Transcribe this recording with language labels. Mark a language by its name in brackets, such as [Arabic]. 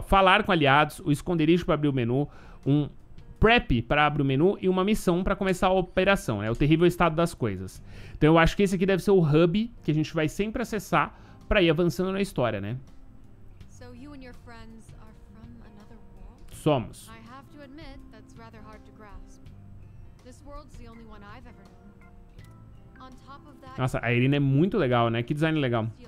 [Portuguese] Falar com aliados, o esconderijo para abrir o menu, prep para abrir o menu e uma missão para começar a operação, né? O terrível estado das coisas. Então eu acho que esse aqui deve ser o hub que a gente vai sempre acessar para ir avançando na história, né? [English] So you and your friends are from another world? [Portuguese] Somos. [English] I have to admit that's rather hard to grasp. This world's the only one I've ever known. On top of that, [Portuguese] nossa, a Irina é muito legal, né? Que design legal.